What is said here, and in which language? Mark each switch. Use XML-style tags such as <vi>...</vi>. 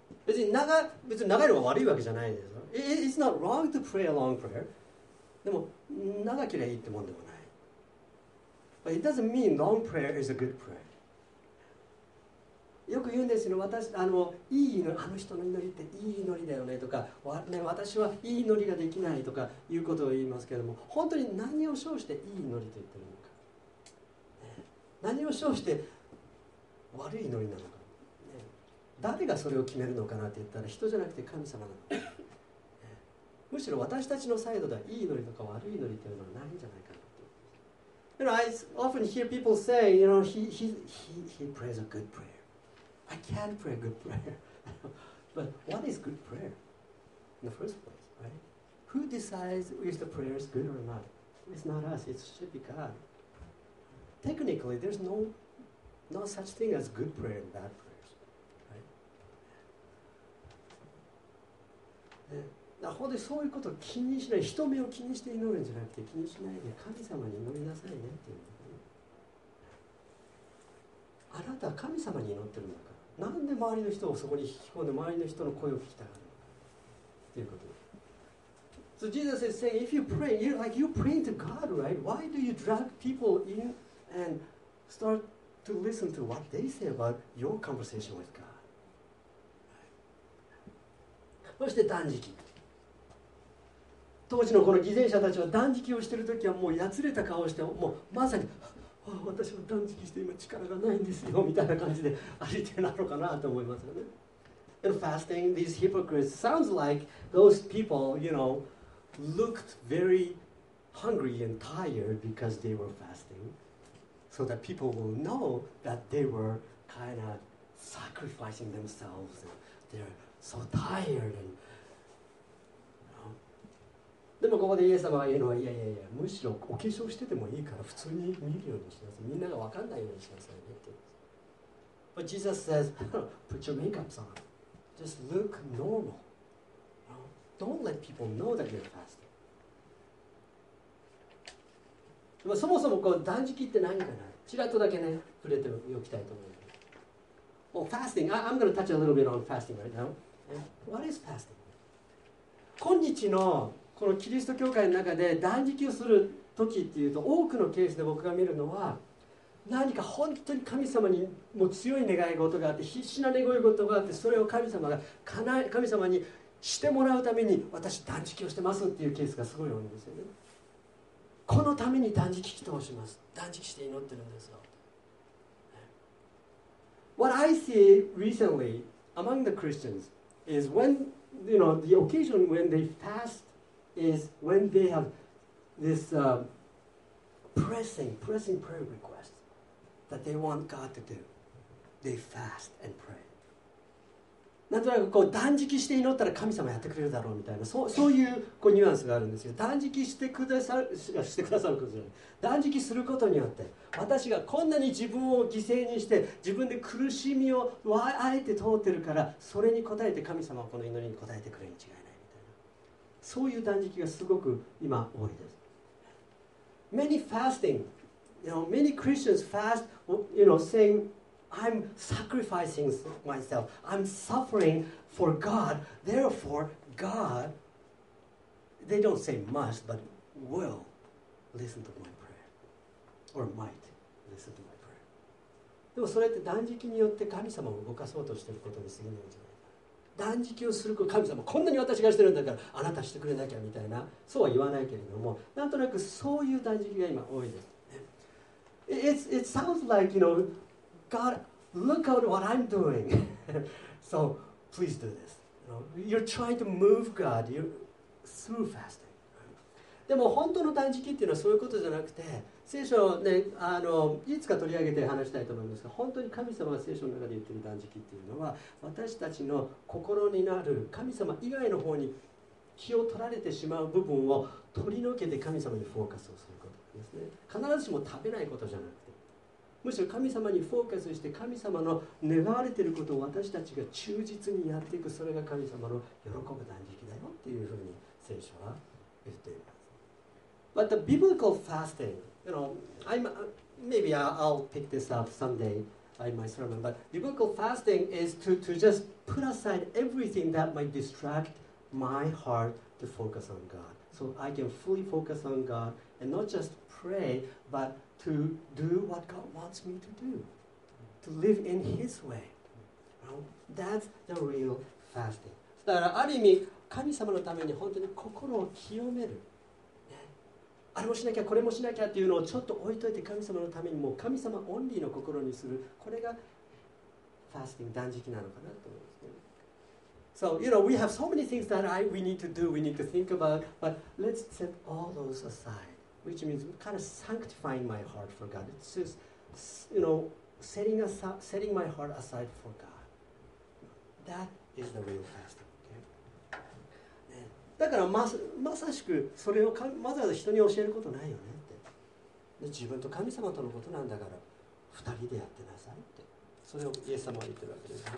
<ja>別に長いのが悪いわけじゃないですよ。</ja> <en>It's not wrong to pray a long prayer.</en> <ja>でも、長きりゃいいってもんでもない。</ja> <en>But it doesn't mean long prayer is a good prayer.</en> <ja>よく言うんですよ、私、いい祈り、あの人の祈りっていい祈りだよねとか、私はいい祈りができないとかいうことを言いますけれども、本当に何を称していい祈りと言ってるのか。何を称して悪い祈りなのか。誰がそれを決めるのかなって言ったら、人じゃなくて神様なの。むしろ私たちのサイドでは、いい祈りとか悪い祈りというのはないんじゃないかなと。</ja> <en>You know, I often hear people say, you know, he prays a good prayer. I can't pray a good prayer. But what is good prayer in the first place, right? Who decides if the prayer is good or not? It's not us, it should be God. Technically, there's no such thing as good prayer and bad prayer.</en> <ja>なほでそういうことを気にしない、人目を気にして祈るんじゃなくて、気にしないで神様に祈りなさいねっていう。あなたは神様に祈ってるのか、なんで周りの人をそこに引き込んで周りの人の声を聞きたがるのかっていうこと。</ja> <en>So Jesus is saying, if you pray, you're like you're praying to God, right? Why do you drag people in and start to listen to what they say about your conversation with God?</en> <ja>そして断食。当時のこの偽善者たちは断食をしているときはもうやつれた顔をして、もうまさに私は断食して今力がないんですよみたいな感じで歩いてるのかなと思いますよね。</ja> <en>And fasting, these hypocrites sounds like those people, you know, looked very hungry and tired because they were fasting so that people will know that they were kind of sacrificing themselves theyso tired and, you know.</en> <ja>でもここでイエス様が言うのは、いやいやいや、むしろお化粧しててもいいから普通に見るようにしなさい、みんなが分かんないようにしなさいねって。</ja> <en>But Jesus says, put your makeup on, just look normal, you know? Don't let people know that you're fasting.</en> <ja>でもそもそもこう断食って何かな、ちらっとだけね触れておきたいと思います。</ja> <en>Well, fasting, I'm going to touch a little bit on fasting right now. What is fasting?</en> <ja>今日のこのキリスト教会の中で断食をする時っていうと、多くのケースで僕が見るのは、何か本当に神様にもう強い願い事があって、必死な願い事があって、それを神様が神様にしてもらうために私断食をしてますっていうケースがすごい多いんですよね。このために断食祈祷します、断食して祈ってるんですよ。</ja> <en>What I see recently among the Christians is when, you know, the occasion when they fast is when they have this pressing prayer request that they want God to do. They fast and pray.</en> <ja>なんとなくこう断食して祈ったら神様やってくれるだろうみたいな、そういうニュアンスがあるんですよ。断食してくださる、してくださることじゃない。断食することによって、私がこんなに自分を犠牲にして自分で苦しみをあえて通ってるから、それに応えて神様はこの祈りに応えてくれるに違いないみたいな、そういう断食がすごく今多いです。</ja> <en>Many fasting, you know, many Christians fast, you know, saying I'm sacrificing myself, I'm suffering for God, therefore God, they don't say must but will listen to myOr might listen to my prayer.</en> <ja>でもそれって断食によって神様を動かそうとしていることに過ぎないんじゃないか。断食をすること、神様こんなに私がしてるんだからあなたしてくれなきゃみたいな、そうは言わないけれども、なんとなくそういう断食が今多いです、ね、</ja> <en>It sounds like, you know, God, look at what I'm doing. So please do this. You're trying to move God through fasting.</en> <ja>でも本当の断食っていうのはそういうことじゃなくて、聖書を、ね、いつか取り上げて話したいと思いますが、本当に神様が聖書の中で言っている断食というのは、私たちの心になる神様以外の方に気を取られてしまう部分を取り除けて神様にフォーカスをすることですね。必ずしも食べないことじゃなくて、むしろ神様にフォーカスして神様の願われていることを私たちが忠実にやっていく、それが神様の喜ぶ断食だよというふうに聖書は言っています。</ja> <en>But the biblical fasting, you know, maybe I'll pick this up someday. in my sermon. But biblical fasting is to just put aside everything that might distract my heart to focus on God. So I can fully focus on God and not just pray, but to do what God wants me to do, to live in His way. That's the real fasting.</en> <ja>だからある意味神様のために本当に心を清める、ね、あれもしなきゃこれもしなきゃっていうのをちょっと置いといて神様のためにもう神様オンリーの心にする、これがファスティング断食なのかなと思うんですね。</ja> <en>So you know we have so many things that we need to do, we need to think about, but let's set all those aside, which means kind of sanctifying my heart for God. It's just you know setting my heart aside for God. That is the real fasting.</en> <ja>だから まさしくそれをわざわざ人に教えることないよねって、で自分と神様とのことなんだから二人でやってなさいって、それをイエス様は言ってるわけです。</ja>